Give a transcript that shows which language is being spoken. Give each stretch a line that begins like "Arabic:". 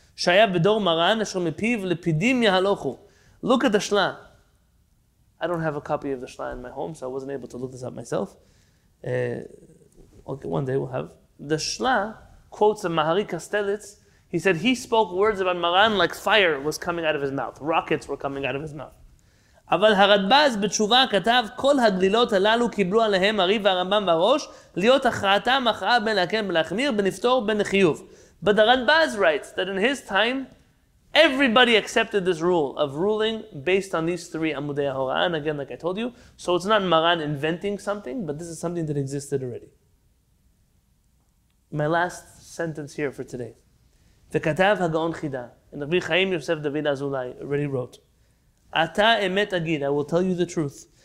English: Look at the Shla. I don't have a copy of the Shla in my home, so I wasn't able to look this up myself. Okay, one day we'll have. The Shla quotes a Mahari Kastelitz. He said he spoke words about Maran like fire was coming out of his mouth. Rockets were coming out of his mouth.
Hebrew: אבל הרדב"ז בתשובה כתב כל הגלילות הללו קיבלו עליהם הרי והרמב"ם והראש להיות הכרעתם הכרעה בין להקל ולהחמיר בנפתור בין לחיוב.
English: But the Radbaz writes that in his time, everybody accepted this rule of ruling based on these three Amudei HaHoraah. And again, like I told you, so it's not Maran inventing something, but this is something that existed already. My last sentence here for today.
Hebrew: V'katav HaGaon Chida,
English: and Rabbi Chaim Yosef David Azulai already wrote,
Hebrew: Ata emet agid,
English: I will tell you the truth.